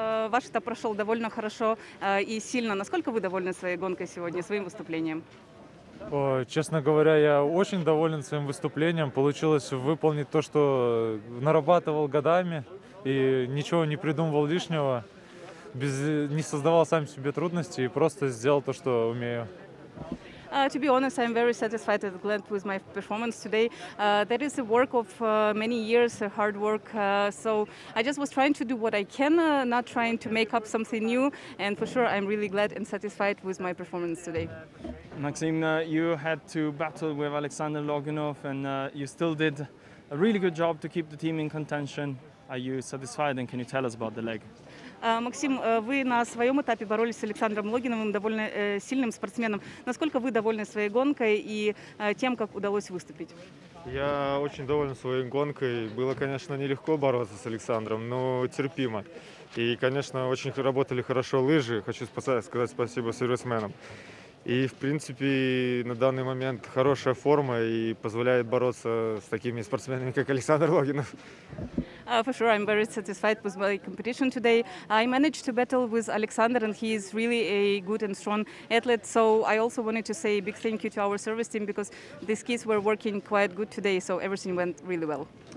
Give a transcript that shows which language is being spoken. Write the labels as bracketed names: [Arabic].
[Russian] Ваш этап прошел довольно хорошо и сильно. Насколько вы довольны своей гонкой сегодня, своим выступлением? Честно говоря, я очень доволен своим выступлением. Получилось выполнить то, что нарабатывал годами, и ничего не придумывал лишнего, не создавал сам себе трудности и просто сделал то, что умею. [English] To be honest, I'm very satisfied and glad with my performance today. That is the work of many years, hard work. So I just was trying to do what I can, not trying to make up something new. And for sure, I'm really glad and satisfied with my performance today. Maksim, you had to battle with Alexander Loginov, and you still did a really good job to keep the team in contention. Are you satisfied, and can you tell us about the leg? [Russian] Максим, вы на своем этапе боролись с Александром Логиновым, довольно сильным спортсменом. Насколько вы довольны своей гонкой и тем, как удалось выступить? Я очень доволен своей гонкой. Было, конечно, нелегко бороться с Александром, но терпимо. И, конечно, очень работали хорошо лыжи. Хочу сказать спасибо сервисменам. И, в принципе, на данный момент хорошая форма и позволяет бороться с такими спортсменами, как Александр Логинов. [English] For sure, I'm very satisfied with my competition today. I managed to battle with Alexander, and he is really a good and strong athlete. So I also wanted to say a big thank you to our service team, because these kids were working quite good today, so everything went really well.